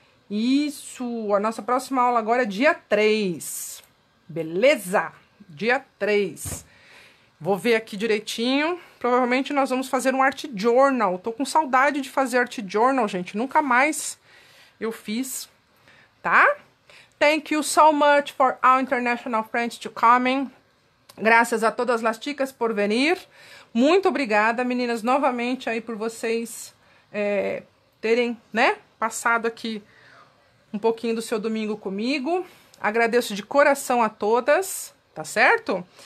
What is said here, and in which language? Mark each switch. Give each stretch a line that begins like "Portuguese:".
Portuguese: Isso, a nossa próxima aula agora é dia 3. Beleza? Dia 3. Vou ver aqui direitinho. Provavelmente nós vamos fazer um art journal. Tô com saudade de fazer art journal, gente. Nunca mais eu fiz, tá?
English: Thank you so much for our international friends to coming.
Portuguese: Graças a todas as
Spanish: chicas por venir.
Portuguese: Muito obrigada, meninas, novamente aí por vocês terem, né, passado aqui um pouquinho do seu domingo comigo. Agradeço de coração a todas, tá certo?